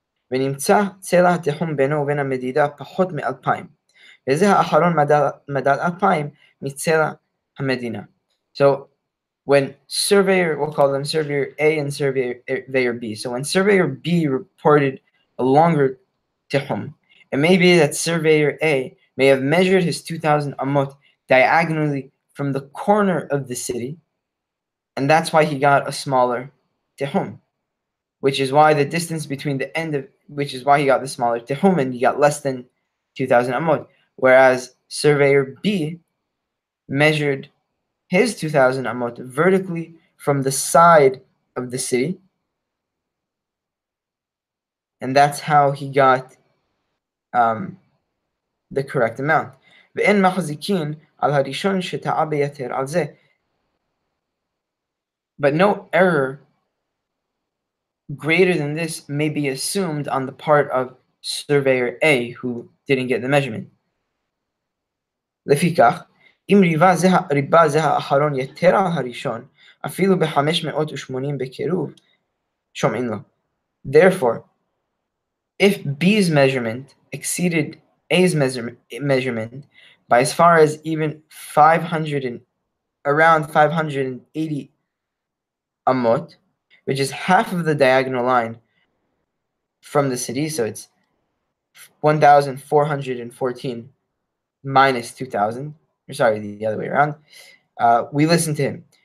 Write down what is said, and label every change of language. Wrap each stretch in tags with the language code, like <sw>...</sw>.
<he>ונמצא צלע התיחום בינו ובין המדידה פחות מ-2000. וזה האחרון מדד 2000 מצלע המדינה.</he> <en>So, when surveyor, we'll call them surveyor A and surveyor B. So when surveyor B reported a longer tichum, it may be that surveyor A may have measured his 2,000 amot diagonally from the corner of the city, and that's why he got a smaller tichum, which is why the distance between the end of, which is why he got the smaller tichum and he got less than 2,000 amot, whereas surveyor B measured his 2,000 amot vertically from the side of the city, and that's how he got the correct amount.</en> <he>ואין מחזיקין על הראשון שטעה ביתר על זה.</he> <en>But no error greater than this may be assumed on the part of surveyor A, who didn't get the measurement.</en> <he>לפיכך, אם ריבה זה האחרון יתר על הראשון, אפילו ב-580 בקירוב, שומעים לו.</he> <en>Therefore, if B's measurement exceeded A's measurement by as far as even 500 and around 580 amot, which is half of the diagonal line from the city, so it's 1,414 minus 2,000, sorry, the other way around. We listen to him.</en>